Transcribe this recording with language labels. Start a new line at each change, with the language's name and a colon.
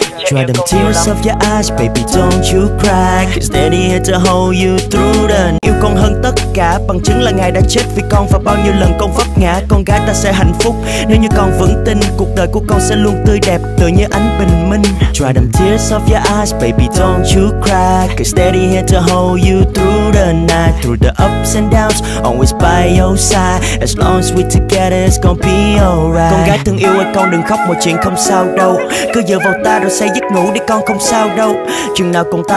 English: Dry them tears off your eyes, baby don't you cry, cause daddy here to hold you through the night.
Vietnamese: Yêu con hơn tất cả, bằng chứng là ngài đã chết vì con và bao nhiêu lần con vấp ngã. Con gái ta sẽ hạnh phúc nếu như con vững tin, cuộc đời của con sẽ luôn tươi đẹp tựa như ánh bình minh.
English: Dry them tears off your eyes, baby don't you cry, cause daddy here to hold you through the night. Through the ups and downs, always by your side, as long as we're together it's gonna be alright.
Vietnamese: Con gái thương yêu ơi con đừng khóc, mọi chuyện không sao đâu, cứ dựa vào ta rồi sẽ giấc ngủ đi con, không sao đâu. Chừng nào còn ta